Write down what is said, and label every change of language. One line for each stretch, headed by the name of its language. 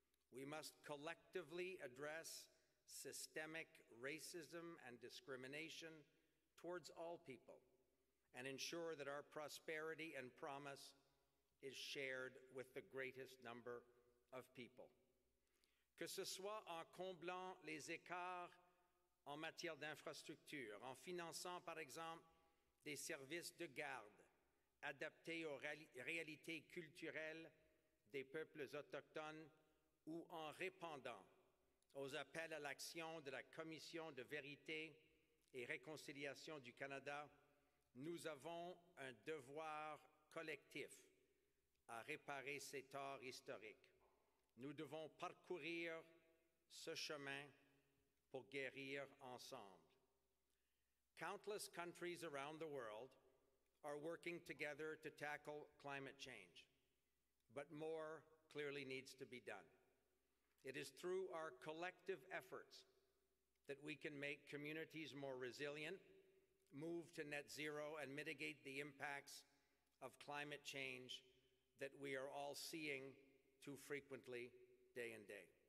English: We must collectively address systemic racism and discrimination towards all people and ensure that our prosperity and promise is shared with the greatest number of people.
French: Que ce soit en comblant les écarts en matière d'infrastructure, en finançant par exemple des services de garde adaptés aux réalités culturelles des peuples autochtones ou en répondant aux appels à l'action de la Commission de vérité et réconciliation du Canada, nous avons un devoir collectif à réparer ces torts historiques. Nous devons parcourir ce chemin pour guérir ensemble.
English: Countless countries around the world are working together to tackle climate change, but more clearly needs to be done. It is through our collective efforts that we can make communities more resilient, move to net zero, and mitigate the impacts of climate change that we are all seeing too frequently day in day.